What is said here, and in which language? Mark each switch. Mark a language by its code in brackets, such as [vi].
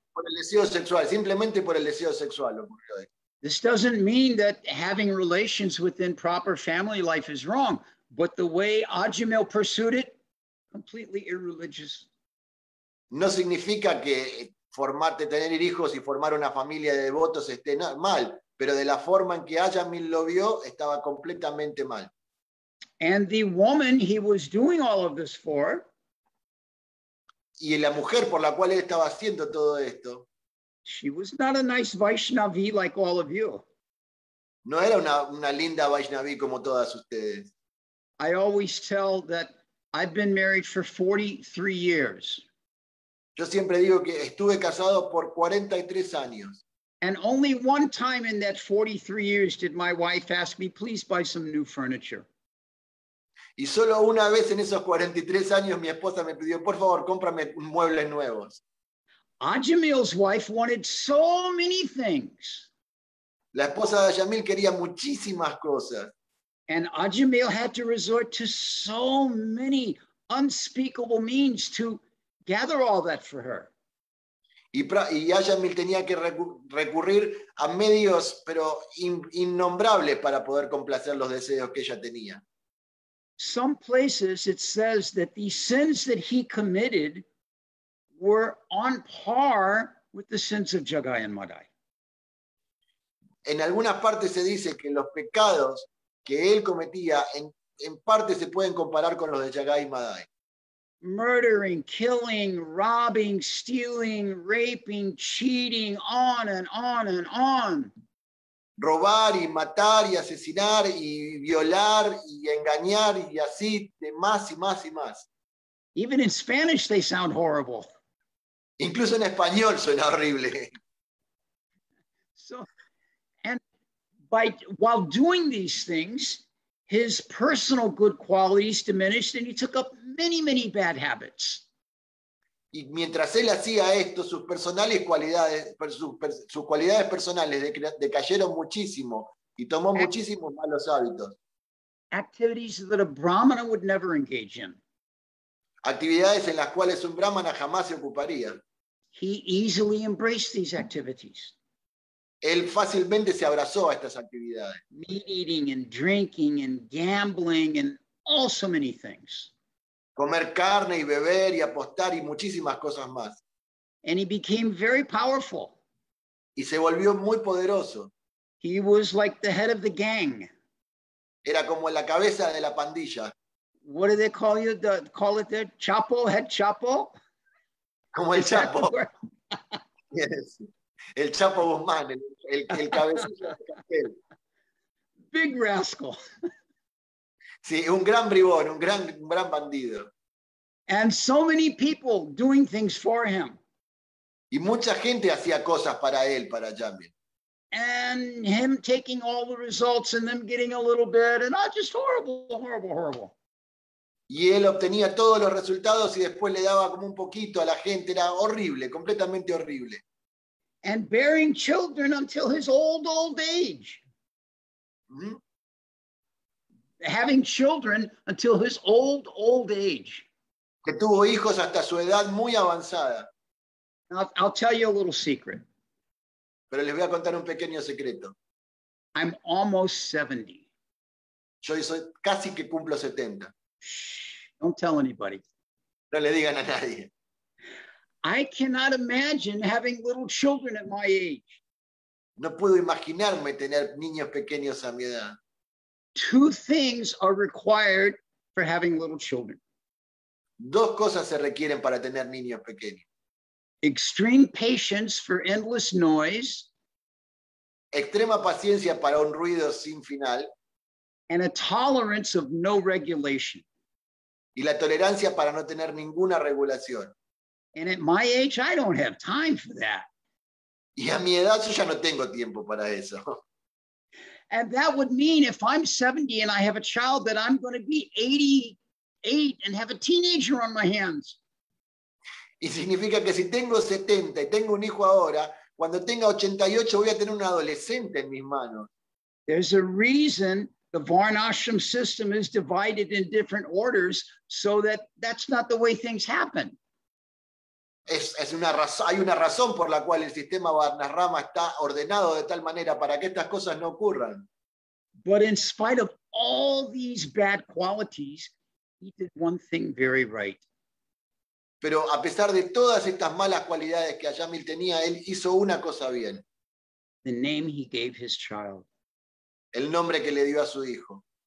[es] Por el deseo sexual, simplemente por el deseo sexual ocurrió esto. [en] This doesn't mean that having relations within proper family life is wrong, but the way Ajamil pursued it, completely irreligious. [es] No significa que formarte, tener hijos y formar una familia de devotos esté mal, pero de la forma en que Ajamil lo vio, estaba completamente mal. [en] And the woman he was doing all of this for, [es] y la mujer por la cual él estaba haciendo todo esto, [en] she was not a nice Vaishnavi like all of you. [es] No era una linda Vaishnavi como todas ustedes. [en] I always tell that I've been married for 43 years. [es] Yo siempre digo que estuve casado por 43 años. [en] And only one time in that 43 years did my wife ask me, please buy some new furniture. [es] Y solo una vez en esos 43 años mi esposa me pidió, por favor, cómprame muebles nuevos. [en] Ajamil's wife wanted so many things. [es] La esposa de Ajamil quería muchísimas cosas. [en] And Ajamil had to resort to so many unspeakable means to gather all that for her. [es] Y Ajamil tenía que recurrir a medios, pero innombrables, para poder complacer los deseos que ella tenía. [en] Some places it says that the sins that he committed were on par with the sins of Jagai and Madai. [es] En algunas partes se dice que los pecados que él cometía en parte se pueden comparar con los de Jagai y Madai. [en] Murdering, killing, robbing, stealing, raping, cheating, on and on and on. [es] Robar y matar y asesinar y violar y engañar y así de más y más y más. [en] Even in Spanish they sound horrible. [es] Incluso en español suena horrible. [en] So, and by while doing these things, his personal good qualities diminished and he took up many, many bad habits. [es] Y mientras él hacía esto, sus personales cualidades, sus cualidades personales decayeron muchísimo y tomó muchísimos malos hábitos. [en] Activities that a Brahmana would never engage in. [es] Actividades en las cuales un Brahmana jamás se ocuparía. [en] He easily embraced these activities. [es] Él fácilmente se abrazó a estas actividades. [en] Meat eating and drinking and gambling and all so many things. [es] Comer carne y beber y apostar y muchísimas cosas más. [en] And he became very powerful. [es] Y se volvió muy poderoso. [en] He was like the head of the gang. [es] Era como la cabeza de la pandilla. [en] What do they call you? Call it the Chapo, head Chapo? [es] Como el Chapo. Yes. El Chapo Guzmán, el cabecilla de cartel. [en] Big rascal. [es] Sí, un gran bribón, un gran bandido. [en] And so many people doing things for him. [es] Y mucha gente hacía cosas para él, para Jamil. [en] And him taking all the results and them getting a little bit and not just horrible, horrible, horrible. [es] Y él obtenía todos los resultados y después le daba como un poquito a la gente. Era horrible, completamente horrible. [en] And bearing children until his old, old age. Mm-hmm. Having children until his old, old age. [es] Que tuvo hijos hasta su edad muy avanzada. [en] I'll tell you a little secret. [es] Pero les voy a contar un pequeño secreto. [en] I'm almost 70. [es] Yo soy casi que cumplo 70. [en] Shh, don't tell anybody. [es] No le digan a nadie. [en] I cannot imagine having little children at my age. [es] No puedo imaginarme tener niños pequeños a mi edad. [en] Two things are required for having little children. [es] Dos cosas se requieren para tener niños pequeños. [en] Extreme patience for endless noise. [es] Extrema paciencia para un ruido sin final. [en] And a tolerance of no regulation. [es] Y la tolerancia para no tener ninguna regulación. [en] And at my age, I don't have time for that. [es] Y a mi edad, yo ya no tengo tiempo para eso. [en] And that would mean if I'm 70 and I have a child, that I'm going to be 88 and have a teenager on my hands. [es] Y significa que si tengo 70 y tengo un hijo ahora, cuando tenga 88 voy a tener un adolescente en mis manos. [en] There's a reason the Varnashram system is divided in different orders so that that's not the way things happen. [es] Hay una razón por la cual el sistema Varnashrama está ordenado de tal manera para que estas cosas no ocurran. [en] But in spite of all these bad qualities, he did one thing very right. [es] Pero a pesar de todas estas malas cualidades que Ayamil tenía, él hizo una cosa bien. [en] The name he gave his child. [es] El nombre que le dio a su hijo.